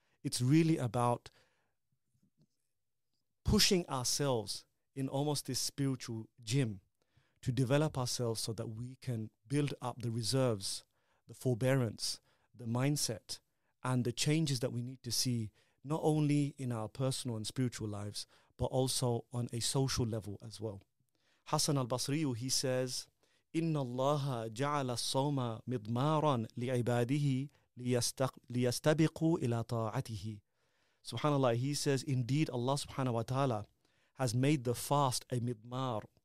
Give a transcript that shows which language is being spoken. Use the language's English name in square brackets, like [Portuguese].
[English] It's really about pushing ourselves in almost this spiritual gym to develop ourselves so that we can build up the reserves, the forbearance, the mindset, and the changes that we need to see, not only in our personal and spiritual lives, but also on a social level as well. [Arabic] Hassan al-Basri, [English] he says, [Arabic] إِنَّ اللَّهَ جَعَلَ الصَّوْمَ مِضْمَارًا لِعِبَادِهِ لِيَسْتَبِقُوا إِلَىٰ طَاعَتِهِ. [English] SubhanAllah, he says, indeed Allah subhanahu wa ta'ala has made the fast a midmar.